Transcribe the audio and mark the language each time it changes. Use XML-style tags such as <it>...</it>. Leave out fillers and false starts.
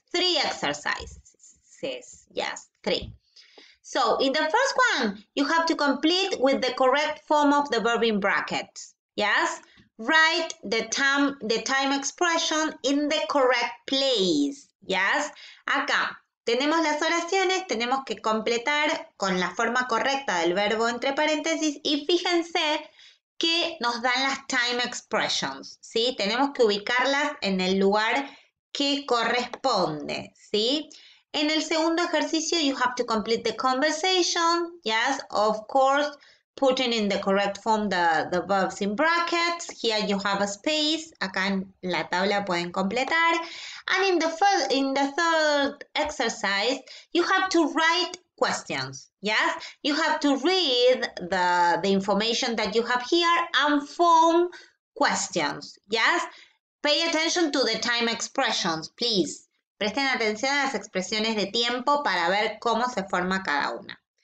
<en>Three exercises. Yes, three. So, in the first one, you have to complete with the correct form of the verb in brackets. Yes? Write the time expression in the correct place. Yes?</en> <es>Acá, tenemos las oraciones, tenemos que completar con la forma correcta del verbo entre paréntesis. Y fíjense que nos dan las time expressions, ¿sí? Tenemos que ubicarlas en el lugar que corresponde, ¿sí? En el segundo ejercicio,</es> <en>you have to complete the conversation, yes, of course, putting in the correct form the verbs in brackets. Here you have a space,</en> <es>acá en la tabla pueden completar.</es> <en>And in the third exercise, you have to write questions, yes? You have to read the information that you have here and form questions, yes? Pay attention to the time expressions, please.</en> <es>Presten atención a las expresiones de tiempo para ver cómo se forma cada una.</es>